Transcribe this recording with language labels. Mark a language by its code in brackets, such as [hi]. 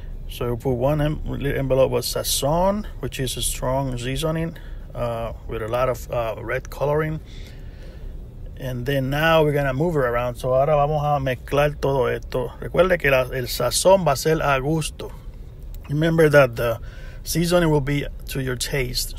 [en] So we put one envelope of sazón, which is a strong seasoning with a lot of red coloring. And then now we're going to move it around. [es] So ahora vamos a mezclar todo esto. Recuerde que el sazón va a ser a gusto. [en] Remember that the seasoning will be to your taste.